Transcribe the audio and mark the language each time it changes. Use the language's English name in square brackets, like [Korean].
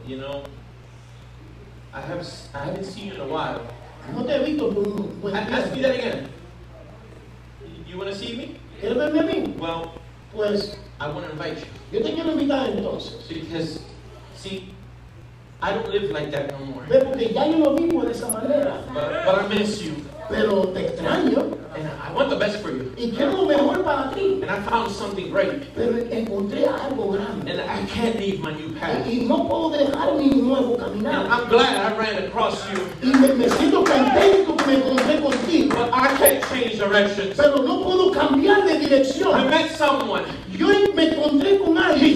[English] You know, I haven't seen you in a while. [Spanish] No te he visto por un buen tiempo. [English] Ask me that again. You want to see me? [Spanish] ¿Quieres verme a mí? [English] Well, [Spanish] pues, [English] I want to invite you. [Spanish] Yo te quiero invitar entonces. [English] Because, see, I don't live like that no more. [Spanish] Ve, porque ya yo no vivo de esa manera. [English] But I miss you. [Spanish] Pero te extraño. [English] And I want the best for you. [Spanish] Y quiero lo mejor para ti. [English] And I found something great. [Spanish] Pero encontré algo grande. [English] And I can't leave my new path. [Spanish] Y no puedo dejar mi nuevo caminar. [English] And I'm glad I ran across you. [Spanish] Y me siento contento que me encontré contigo. [English] But I can't change directions. [Spanish] Pero no puedo cambiar de dirección. [English] I met someone. [Spanish] Yo me encontré con alguien.